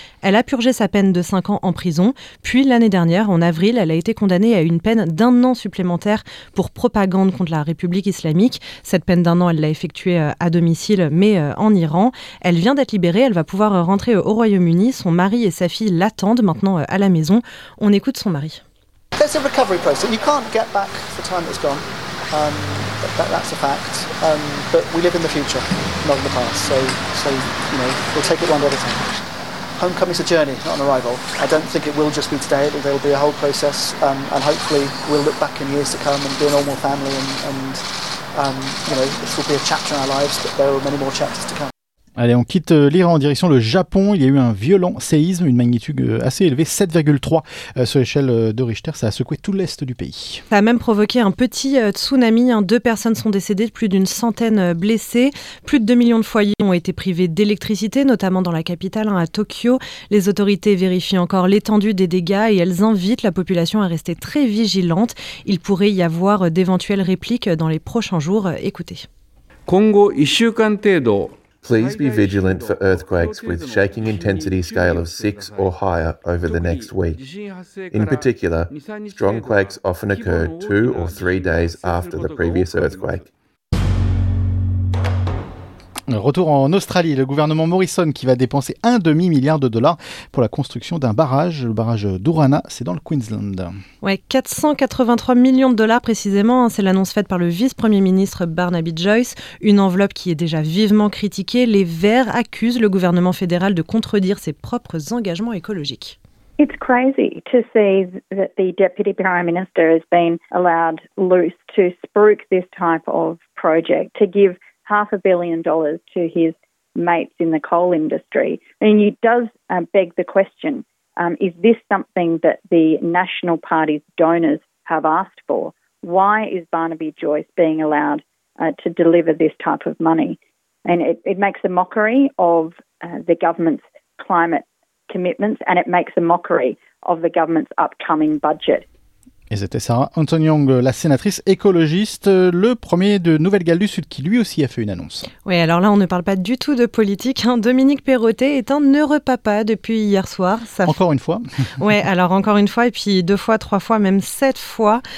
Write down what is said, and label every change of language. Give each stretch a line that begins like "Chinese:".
French: Elle a purgé sa peine de 5 ans en prison. Puis l'année dernière, en avril, elle a été condamnée à une peine d'un an supplémentaire pour propagande contre la République islamique. Cette peine d'un an, elle l'a effectuée à domicile, mais en Iran. Elle vient d'être libérée. Elle va pouvoir rentrer au Royaume-Uni. Son mari et sa fille l'attendent maintenant à la maison. On écoute son mari.
English: There's a recovery process. You can't get back the time that's gone. That's a fact. But we live in the future, not in the past. So you know, we'll take it one day at a time. Homecoming is a journey, not an arrival. I don't think it will just be today. There'll be a whole process, and hopefully we'll look back in years to come and be a normal family. And you know, this will be a chapter in our lives, but there are many more chapters to come.
French: Allez, on quitte l'Iran en direction le Japon. Il y a eu un violent séisme, une magnitude assez élevée, 7,3 sur l'échelle de Richter. Ça a secoué tout l'est du pays. Ça a même provoqué un petit tsunami. Deux personnes sont décédées, plus d'une centaine blessées. Plus de 2 millions de foyers ont été privés d'électricité, notamment dans la capitale, à Tokyo. Les autorités vérifient encore l'étendue des dégâts et elles invitent la population à rester très vigilante. Il pourrait y avoir d'éventuelles répliques dans les prochains jours. Écoutez.
English: Please be vigilant for earthquakes with shaking intensity scale of 6 or higher over the next week. In particular, strong quakes often occur 2 or 3 days after the previous earthquake.
French: Retour en Australie, le gouvernement Morrison qui va dépenser $500 million pour la construction d'un barrage, le barrage d'Urana, c'est dans le Queensland. Ouais, 483 millions de dollars précisément, c'est l'annonce faite par le vice-premier ministre Barnaby Joyce, une enveloppe qui est déjà vivement critiquée. Les Verts accusent le gouvernement fédéral de contredire ses propres engagements écologiques.
English: It's crazy to see that the Deputy Prime Minister has been allowed loose to spruik this type of project, to give $500 million to his mates in the coal industry. And it does beg the question, is this something that the National Party's donors have asked for? Why is Barnaby Joyce being allowed to deliver this type of money? And it makes a mockery of the government's climate commitments, and it makes a mockery of the government's upcoming budget.
French: Et c'était Sarah Antonyong, la sénatrice écologiste, le premier de Nouvelle-Galles du Sud qui lui aussi a fait une annonce. Oui, alors là, on ne parle pas du tout de politique. Hein. Dominique Perrottet est un heureux papa depuis hier soir. Encore une fois. Oui, alors encore une fois, et puis deux fois, trois fois, même sept fois.